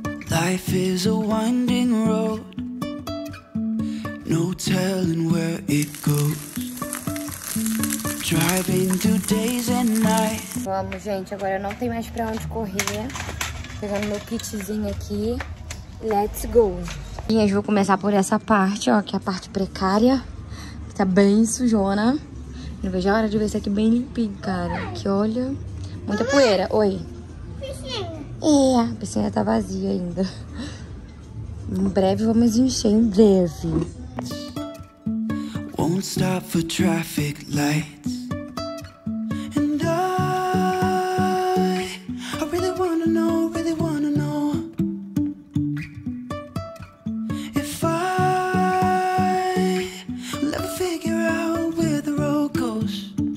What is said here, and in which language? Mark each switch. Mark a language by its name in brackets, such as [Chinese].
[English] Life is a winding road, no telling where it goes. Driving through days and nights. [Portuguese] Vamos, gente, agora não tem mais pra onde correr. Pegando meu kitzinho aqui. [English] Let's go. [Portuguese] E eu vou começar por essa parte, ó, que é a parte precária. Que tá bem sujona. Não vejo a hora de ver isso aqui bem limpinho, cara. Que olha. Muita poeira. Oi. A piscina tá vazia ainda. Em breve vamos encher, em breve. [English] Won't stop for traffic lights. And I really wanna know, really wanna know. If I let figure out where the road goes.